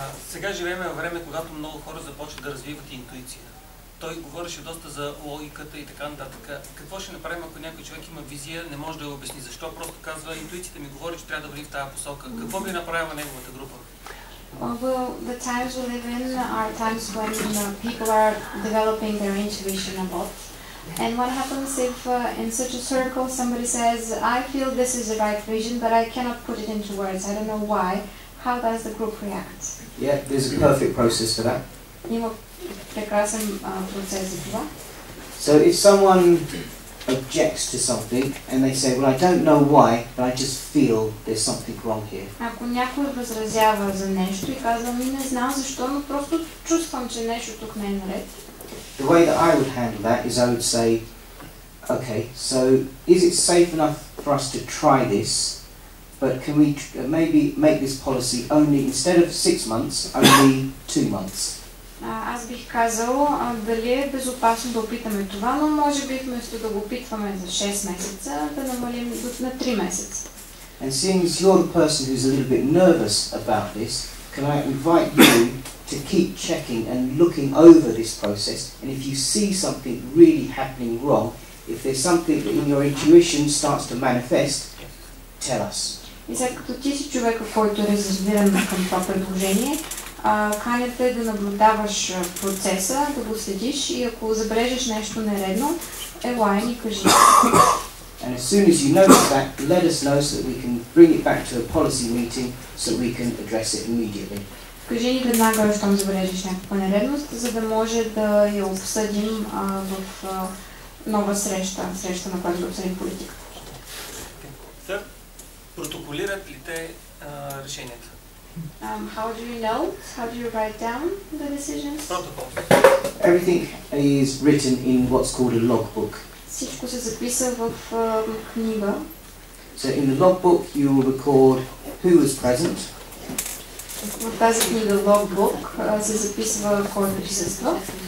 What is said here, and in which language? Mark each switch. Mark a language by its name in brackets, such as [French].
[Bulgarian] Сега живеем във време, когато много хора започват да развиват интуиция. Той говореше доста за логиката и така нататък. Какво ще направим, ако някой човек има визия, не може да я обясни защо, просто казва, интуицията ми говори, че трябва да върви в тази посока. Какво би направила неговата група? [English] Well, the times we live in are times when people are developing their intuition a lot. And what happens if in such a circle somebody says, I feel this is the right vision, but I cannot put it into words, I don't know why. How does the group react? Yeah, there's a perfect process for that. [Bulgarian] Прекрасен процес за това. [English] So if someone objects to something and they say, well, I don't know why, but I just feel there's something wrong here. [Bulgarian] Ако някой възразява за нещо и казва, ми не знам защо, но просто чувствам, че нещо тук не е наред. [English] The way that I would handle that is I would say, okay, so is it safe enough for us to try this? But can we maybe make this policy only, instead of 6 months, only 2 months? [Bulgarian] Аз бих казал, дали е безопасно да опитаме това, но може би вместо да го опитваме за 6 месеца, да намалим на 3 месеца. [English] And seeing as you're the person who's a little bit nervous about this, can I invite you to keep checking and looking over this process, and if you see something really happening wrong, if there's something that in your intuition starts to manifest, tell us. [Bulgarian] И сега като ти си човека, който е разбиран към това предложение, каня те да наблюдаваш процеса, да го следиш и ако забележиш нещо нередно, елай ни кажи. [English] And as soon as you notice that, let us know so that we can bring it back to a policy meeting so we can address it immediately. [Bulgarian] Кажи ни веднага, щом забележиш някаква нередност, за да може да я обсъдим в нова среща, среща на която да обсъдим политика. Протоколират ли те решенията? [English] How do you note? How do you write down the decisions? [Bulgarian] Протокол. [English] Everything is written in what's called a logbook. [Bulgarian] Всичко се записва в книга. [English] So in the logbook you will record who was present. [Bulgarian] В тази книга logbook се записва кой присъства.